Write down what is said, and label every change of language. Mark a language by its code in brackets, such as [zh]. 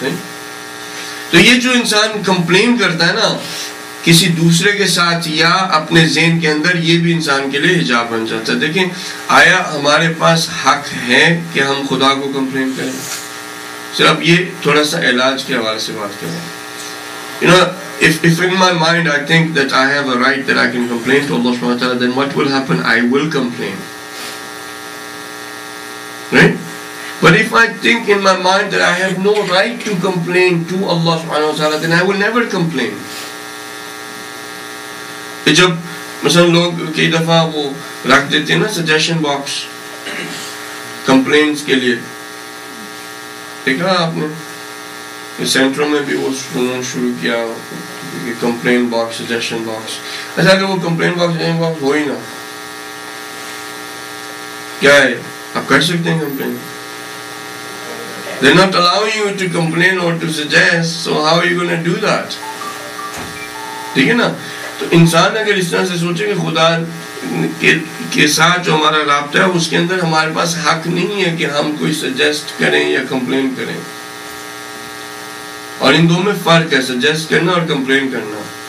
[ur] صحیح, تو یہ جو انسان کمپلین کرتا ہے نا کسی دوسرے کے ساتھ یا اپنے ذہن کے اندر, یہ بھی انسان کے لیے حجاب بن جاتا ہے. دیکھیں, آیا ہمارے پاس حق ہے کہ ہم خدا کو کمپلین کریں؟ صرف یہ تھوڑا سا علاج کے حوالے سے بات کریں. [en] if in my mind I think that I have a right that I can complain to Allah subhanahu wa ta'ala, then what will happen? I will complain. But if I think in my mind that I have no right to complain to Allah subhanahu wa ta'ala, then I will never complain. [ur] جب مثلا لوگ کئی دفعہ وہ رکھ دیتے ہیں نا سجیشن باکس کمپلینس کے لیے, دیکھا آپ نے سینٹروں میں بھی وہ شروع کیا کمپلین باکس, سجیشن باکس. اچھا, اگر وہ کمپلین باکس ہو ہی نا, کیا ہے, آپ کر سکتے ہیں complain? [en] They're not allowing you to complain or to suggest, so how are you going to do that? [ur] ٹھیک ہے نا. تو انسان اگر اس طرح سے سوچے کہ خدا کے ساتھ جو ہمارا رابطہ ہے اس کے اندر ہمارے پاس حق نہیں ہے کہ ہم کوئی سجیسٹ کریں یا کمپلین کریں, اور ان دونوں میں فرق ہے, سجیسٹ کرنا اور کمپلین کرنا.